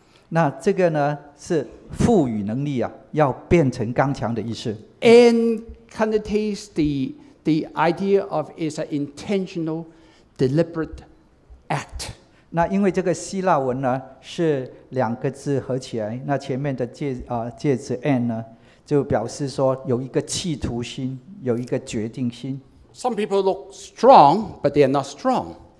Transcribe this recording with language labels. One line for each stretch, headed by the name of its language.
Chinese: 那这个呢是赋予能力啊，要变成刚强的意思。
English: And kind of takes the idea of is an intentional, deliberate act.
Chinese: 那因为这个希腊文呢是两个字合起来，那前面的介词 and 呢就表示说有一个企图心，有一个决定心。
English: Some people look strong, but they are not strong.